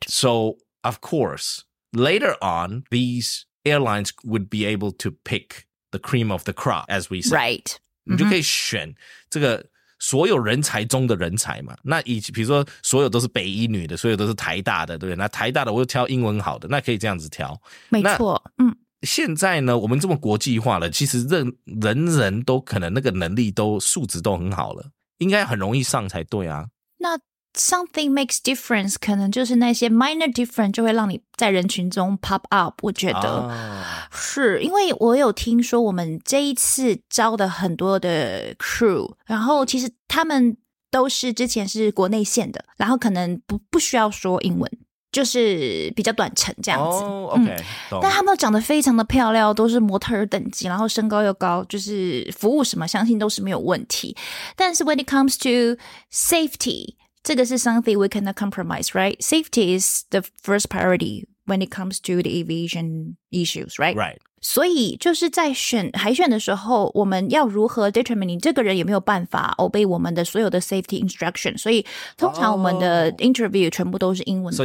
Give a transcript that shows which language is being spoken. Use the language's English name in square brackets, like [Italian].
[English] So, of course, later on, these airlines would be able to pick the cream of the crop, as we say. Right. [Chinese] 你就可以选这个所有人才中的人才嘛，那以比如说所有都是北一女的，所有都是台大的，对不对？那台大的我又挑英文好的，那可以这样子挑，没错。嗯，现在呢，我们这么国际化了，其实人人都可能那个能力都素质都很好了，应该很容易上才对啊。那 [English] something makes difference， [Chinese] 可能就是那些 [English] minor difference [Chinese] 就会让你在人群中 [English] pop up。 [Chinese] 我觉得、啊、是因为我有听说我们这一次招的很多的 crew， 然后其实他们都是之前是国内线的，然后可能不需要说英文，就是比较短程这样子、 [English] oh, okay, [Chinese] 但他们都长得非常的漂亮，都是模特儿等级，然后身高又高，就是服务什么相信都是没有问题。但是 [English] when it comes to safety, [Chinese] 这个是 [English] something we cannot compromise, right? Safety is the first priority when it comes to the aviation issues, right? Right. [Chinese] 所以就是在选海选的时候，我们要如何 determine 这个人有没有办法 obey 我们的所有的 [English] safety instruction? [Chinese] 所以通常我们的 interview 全部都是英文进